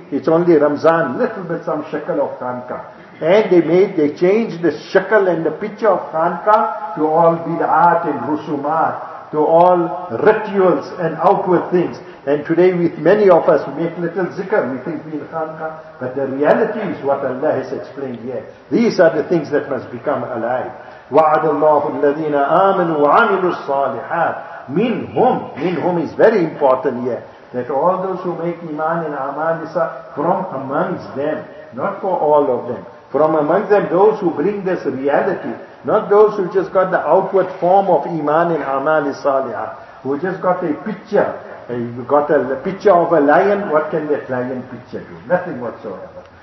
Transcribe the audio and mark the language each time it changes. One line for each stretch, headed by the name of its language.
English: It's only Ramzan, little bit some shakal of khanqah. And they changed the shakal and the picture of khanqah to all bid'at and rusumat, to all rituals and outward things. And today with many of us we make little zikr, we think we're in khanqah. But the reality is what Allah has explained here. These are the things that must become alive.
Arabic: وَعَدَ اللَّهُ الَّذِينَ آمَنُوا وَعَمِلُوا الصَّالِحَاتِ Minhum
English: is very important here. That all those who make iman and amalisa from amongst them, not for all of them. From among them, those who bring this reality, not those who just got the outward form of iman and amal saliha, who just got a picture, you got a picture of a lion, what can that lion picture do? Nothing whatsoever.